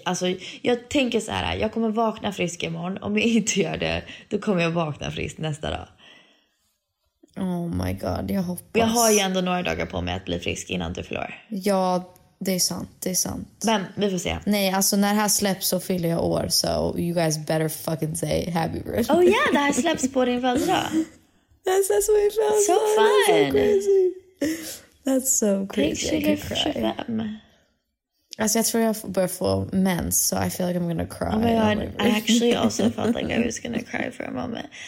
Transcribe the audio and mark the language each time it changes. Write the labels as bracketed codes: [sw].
[sv] Alltså, jag tänker så här, jag kommer vakna frisk imorgon. Om jag inte gör det, då kommer jag vakna frisk nästa dag. Oh my god, jag hoppas. Jag har ju ändå några dagar på mig att bli frisk innan du förlorar. Ja, det är sant, det är sant. Men vi får se. Nej, alltså när det här släpps så fyller jag år. [en] So you guys better fucking say happy birthday. Oh yeah, [sv] det här släpps på din födelsedag. [en] That's so fun. So fun. That's so crazy. Take sugar for 25. [sv] Alltså jag tror jag börjar få mens, [en] so I feel like I'm gonna cry. Oh my god, I actually also felt like I was gonna cry for a moment.